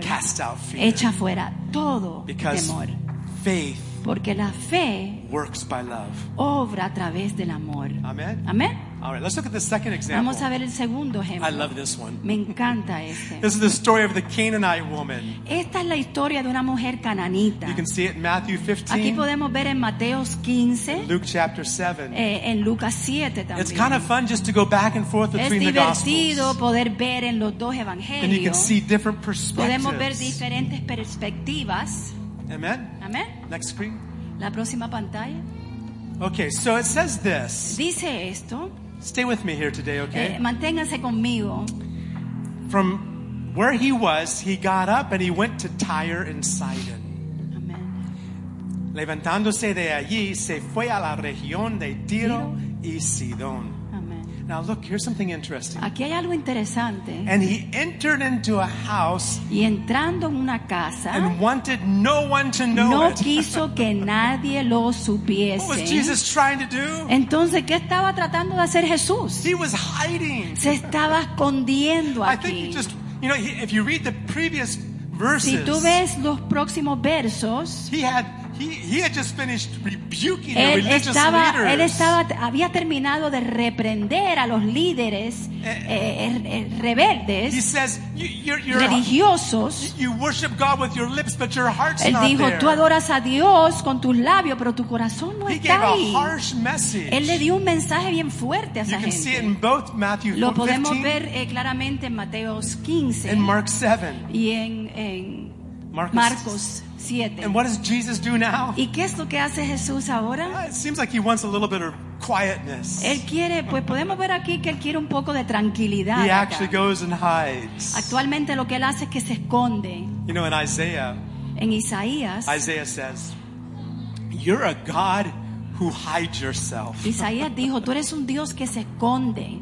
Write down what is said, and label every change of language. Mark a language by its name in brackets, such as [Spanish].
[English] cast out fear, [Spanish] echa fuera todo [English] because [Spanish] temor. [English] Faith, [Spanish] porque la fe, [English] works by love, [Spanish] obra a través del amor. [English] Amen. [Spanish] Amen. [English] All right, let's look at the second example. [Spanish] Vamos a ver el segundo ejemplo. [English] I love this one. [Spanish] Me encanta este. [English] This is the story of the Canaanite woman. [Spanish] Esta es la historia de una mujer cananita. [English] You can see it in Matthew 15. [Spanish] Aquí podemos ver en Mateo 15. [English] Luke chapter 7. [Spanish] En Lucas 7 también. [English] It's kind of fun just to go back and forth between the gospels. [Spanish] Es divertido poder ver en los dos evangelios. [English] And you can see different perspectives. [Spanish] Podemos ver diferentes perspectivas. [English] Amen. [Spanish] Amen. [English] Next screen. [Spanish] La próxima pantalla. [English] Okay, so it says this. [Spanish] Dice esto. [English] Stay with me here today, okay? [Spanish] Manténgase conmigo. [English] From where he was, he got up and he went to Tyre and Sidon. [Spanish] Amen. Levantándose de allí, se fue a la región de Tiro y Sidón. Amen. [English] Now look, here's something interesting. [Spanish] Aquí hay algo interesante. [English] And he entered into a house. [Spanish] Y entrando en una casa. [English] And wanted no one to know [Spanish] no [English] it. [Spanish] No quiso que nadie lo supiese. [English] What was Jesus trying to do? [Spanish] Entonces, ¿qué estaba tratando de hacer Jesús? [English] He was hiding. [Spanish] Se estaba escondiendo aquí. [English] I think he just, you know, if you read the previous verses. [Spanish] Si tú ves los próximos versos. [English] He had just finished rebuking the [Spanish] él [English] religious [Spanish] estaba, [English] leaders. [Spanish] Él estaba, había terminado de reprender a los líderes rebeldes. [English] He says, you're [Spanish] religiosos. [English] You worship God with your lips, but your heart's [Spanish] él [English] not [Spanish] dijo, [English] there. [Spanish] Tú adoras a Dios con tus labios, pero tu corazón no [English] he [Spanish] está [English] gave [Spanish] ahí. [English] A harsh message. [Spanish] Él le dio un mensaje bien fuerte a esa [English] you [Spanish] gente. [English] Can see it in both Matthew 15, [Spanish] lo podemos ver claramente en Mateo 15. [English] In Mark 7. [Spanish] Y en Marcos 7. [English] And what does Jesus do now? [Spanish] ¿Y qué es lo que hace Jesús ahora? [English] It seems like he wants a little bit of quietness. [Spanish] Él quiere, pues podemos ver aquí que él quiere un poco de tranquilidad. [English] He actually goes and hides. [Spanish] Actualmente lo que él hace es que se esconde. [English] You know, in Isaiah. [Spanish] En Isaías. [English] Isaiah says, "You're a God who hides yourself." [Spanish] Isaías dijo, "Tú eres un Dios que se esconde."